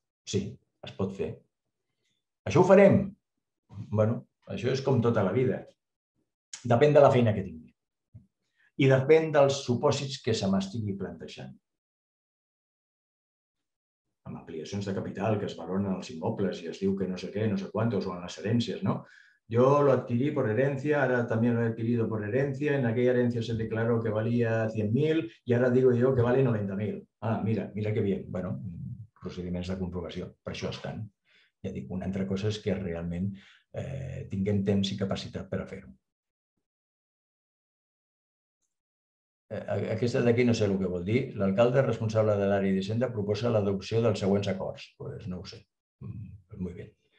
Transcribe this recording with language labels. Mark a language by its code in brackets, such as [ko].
[ca] Sí, es pot fer. Això ho farem. Bueno, això és com tota la vida. Depèn de la feina que tingui. I depèn dels supòsits que se m'estigui plantejant. Amb ampliacions de capital que es valoren els immobles i es diu que no sé què, no sé quantos, o en les herències, no? [es] Yo lo adquirí por herencia, ahora también lo he adquirido por herencia, en aquella herencia se declaró que valía 100.000 y ahora digo yo que vale 90.000. Ah, mira, mira qué bien. [ca] Bueno, procediments de comprovació, per això estan. Ja dic, una altra cosa és que realment tinguem temps i capacitat per a fer-ho. Aquesta d'aquí no sé el que vol dir. L'alcalde responsable de l'àrea d'Hisenda proposa l'adopció dels següents acords. Pues no ho sé. Molt bé.